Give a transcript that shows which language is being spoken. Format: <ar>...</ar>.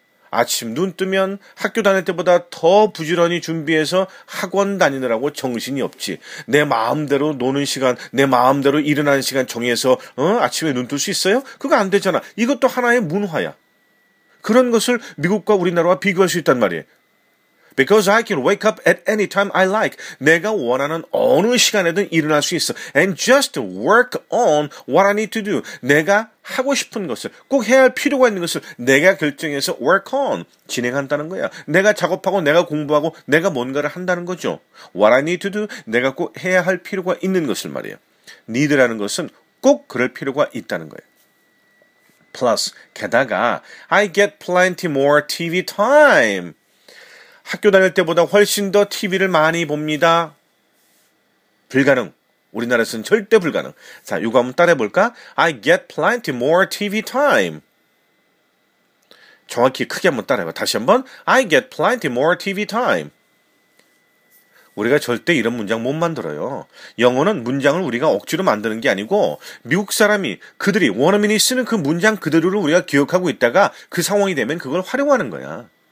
<ko>아침 눈 뜨면 학교 다닐 때보다 더 부지런히 준비해서 학원 다니느라고 정신이 없지. 내 마음대로 노는 시간, 내 마음대로 일어나는 시간 정해서 아침에 눈 뜰 수 있어요? 그거 안 되잖아. 이것도 하나의 문화야. 그런 것을 미국과 우리나라와 비교할 수 있단 말이에요.</ko> <en>Because I can wake up at any time I like.</en> <ko>내가 원하는 어느 시간에든 일어날 수 있어.</ko> <en>And just work on what I need to do.</en> <ko>내가 하고 싶은 것을, 꼭 해야 할 필요가 있는 것을 내가 결정해서</ko> <en>work on,</en> <ko>진행한다는 거야. 내가 작업하고, 내가 공부하고, 내가 뭔가를 한다는 거죠.</ko> <en>What I need to do,</en> <ko>내가 꼭 해야 할 필요가 있는 것을 말이에요. Need라는 것은 꼭 그럴 필요가 있다는 거예요.</ko> <en>Plus,</en> <ko>게다가</ko> <en>I get plenty more TV time.</en> <ko>학교 다닐 때보다 훨씬 더 TV를 많이 봅니다. 불가능. 우리나라에서는 절대 불가능. 자, 이거 한번 따라해볼까?</ko> <en>I get plenty more TV time.</en> <ko>정확히 크게 한번 따라해봐. 다시 한번.</ko> <en>I get plenty more TV time.</en> <ko>우리가 절대 이런 문장 못 만들어요. 영어는 문장을 우리가 억지로 만드는 게 아니고 미국 사람이 그들이 원어민이 쓰는 그 문장 그대로를 우리가 기억하고 있다가 그 상황이 되면 그걸 활용하는 거야.</ko>